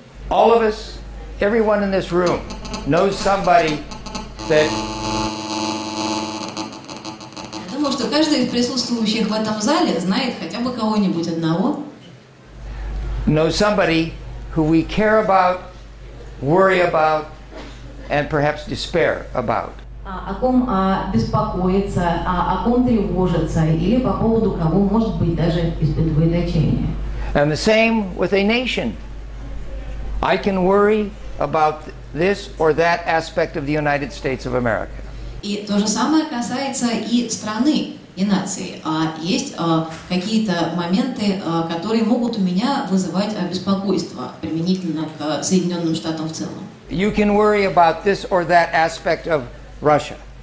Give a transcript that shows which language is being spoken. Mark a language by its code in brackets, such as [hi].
[en] All of us, everyone in this room, knows somebody that... [ru] что каждый из присутствующих в этом зале знает хотя бы кого-нибудь одного. [en] Know somebody who we care about, worry about, and perhaps despair about. [ru] О ком беспокоится, о ком тревожится, или по поводу кого, может быть, даже испытывает отчаяние. [en] And the same with a nation. I can worry about this or that aspect of the United States of America. [ru] И то же самое касается и страны, и нации. Есть какие-то моменты, которые могут у меня вызывать беспокойство применительно к Соединенным Штатам в целом. [en] You can worry about this or that aspect of Russia.